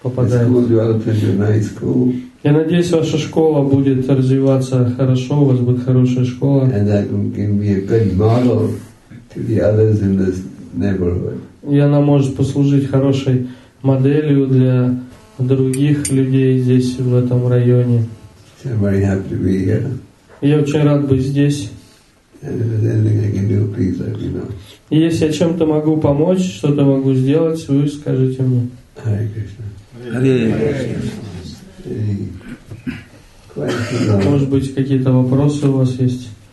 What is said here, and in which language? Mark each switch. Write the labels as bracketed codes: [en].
[ru] Я надеюсь, ваша школа будет развиваться хорошо, у вас будет хорошая школа. [en] And that can be a good model to the others in this neighborhood. [ru] И она может послужить хорошей моделью для других людей здесь, в этом районе. [en] So I'm very happy to be here. [ru] Я очень рад быть здесь. [en] And if there's anything I can do, please let me know. [ru] И если я чем-то могу помочь, что-то могу сделать, вы скажите мне. [sa] Hare Krishna. Hare Krishna. Hare Krishna. [ru] Может быть, какие-то вопросы у вас есть?